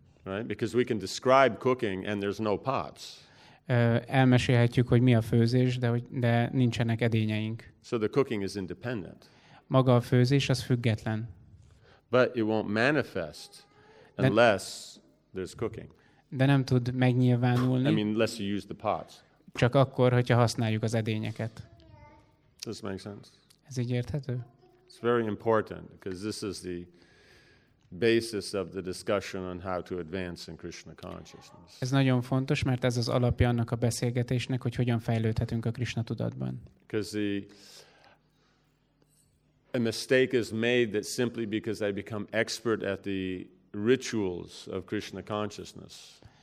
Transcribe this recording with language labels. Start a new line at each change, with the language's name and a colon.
English: Right? Because we can describe cooking and there's no pots.
Hungarian: Elmesélhetjük, hogy mi a főzés, de nincsenek edényeink.
English: So the cooking is independent.
Hungarian: Maga a főzés az független.
English: But it won't manifest unless there's cooking.
Hungarian: De nem tud megnyilvánulni.
English: I mean, unless you use the pots.
Hungarian: Csak akkor, hogyha használjuk az edényeket.
English: Does this make sense?
Hungarian: Ez így érthető?
English: It's very important because this is the basis of the discussion on how to advance in Krishna consciousness.
Hungarian: Ez nagyon fontos, mert ez az alapja annak a beszélgetésnek, hogy hogyan fejlődhetünk a Krishna tudatban.
English: Because a mistake is made that simply because I become expert at the rituals of Krishna consciousness.